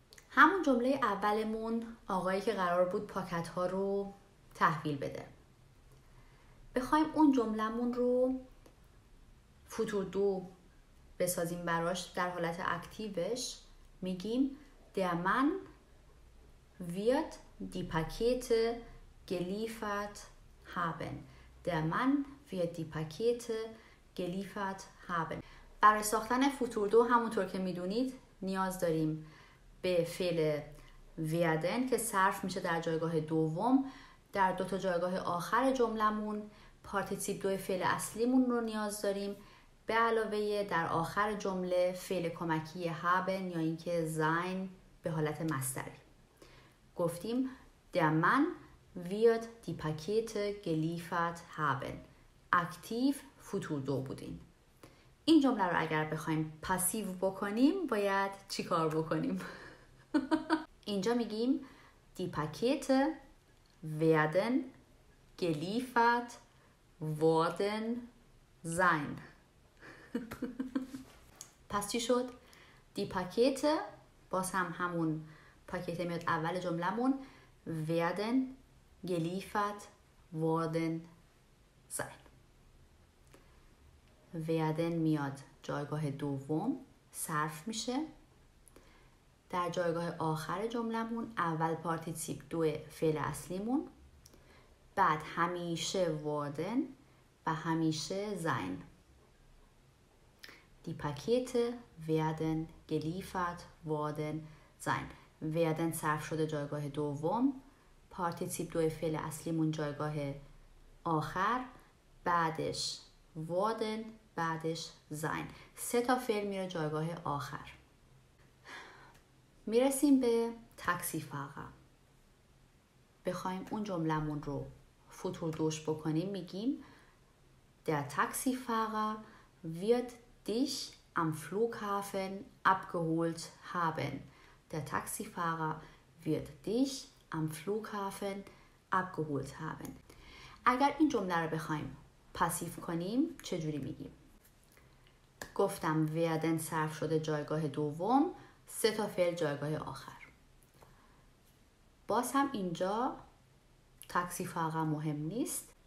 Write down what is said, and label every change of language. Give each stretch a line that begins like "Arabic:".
Persian: همون جمله اولمون، آقایی که قرار بود پاکت ها رو تحویل بده، بخوایم اون جملمون رو فوتور دو بسازیم براش در حالت اکتیوش، میگیم
German: Der Mann wird die Pakete geliefert haben.
Persian: Der Mann wird die Pakete geliefert haben. برای ساختن فوتور دو همونطور که میدونید نیاز داریم به فعل werden که صرف میشه در جایگاه دوم، در دوتا جایگاه آخر جملمون پارتیسیپ دو فعل اصلیمون رو نیاز داریم، به علاوه در آخر جمله فعل کمکی haben یا اینکه sein به حالت مصدر. گفتیم
German: Der Mann wird die Pakete geliefert haben.
Persian: aktiv فوتور دو بودین. این جمله رو اگر بخوایم پاسیو بکنیم باید چی کار بکنیم؟ اینجا میگیم
German: Die Pakete werden geliefert worden sein.
Persian: پس چی شد؟
German: Die Pakete،
Persian: باز هم همون پاکت میاد اول جملمون،
German: werden geliefert worden sein.
Persian: werden میاد جایگاه دوم، صرف میشه در جایگاه آخر جملمون، اول پارتیسیپ دو فعل اصلیمون، بعد همیشه worden و همیشه sein.
German: Die Pakete werden geliefert worden sein.
Persian: Werden صرف شده جایگاه دوم. پارتیسیپ دو فعل اصلیمون جایگاه آخر. بعدش worden. بعدش sein. سه تا فعل میره جایگاه آخر. میرسیم به تاکسی فاقا. بخوایم اون جملمون رو فوتور دوش بکنیم میگیم
German: Der Taxifahrer wird dich am Flughafen abgeholt haben. Der Taxifahrer wird dich am Flughafen abgeholt haben.
Persian: اگر این جمله رو بخوایم پاسیف کنیم چجوری میگیم؟ گفتم werden صرف شده جایگاه دوم، سه تا فعل جایگاه آخر. باز هم اینجا تاکسی فاقا مهم نیست.